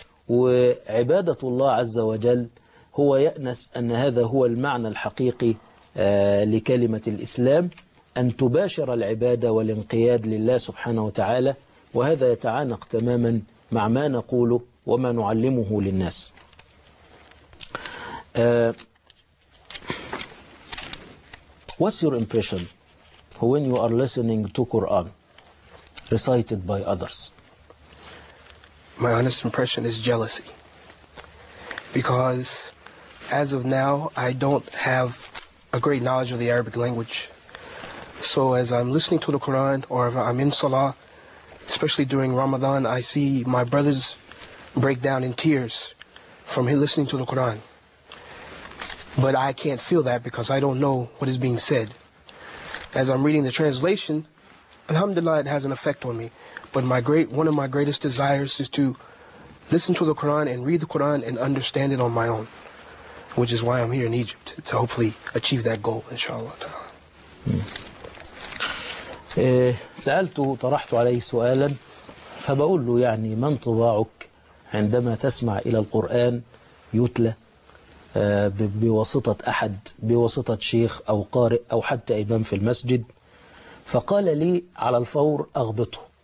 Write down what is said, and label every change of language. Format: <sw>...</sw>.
<ar>وعبادة الله عز وجل هو يأنس أن هذا هو المعنى الحقيقي لكلمة الإسلام، أن تباشر العبادة والانقياد لله سبحانه وتعالى، وهذا يتعانق تماما مع ما نقوله وما نعلمه للناس.</ar> <en>What's your impression when you are listening to Quran recited by others? My honest impression is jealousy. Because as of now, I don't have a great knowledge of the Arabic language. So as I'm listening to the Quran or if I'm in Salah, especially during Ramadan, I see my brothers break down in tears from listening to the Quran. But I can't feel that because I don't know what is being said. As I'm reading the translation, alhamdulillah, it has an effect on me. But one of my greatest desires is to listen to the Quran and read the Quran and understand it on my own, which is why I'm here in Egypt, to hopefully achieve that goal, inshallah.</en> <ar>سألته طرحت عليه سؤالا فبقول له يعني ما انطباعك عندما تسمع إلى القرآن يتلى بواسطة أحد، بواسطة شيخ أو قارئ أو حتى إمام في المسجد؟ فقال لي على الفور أغبطه.</ar>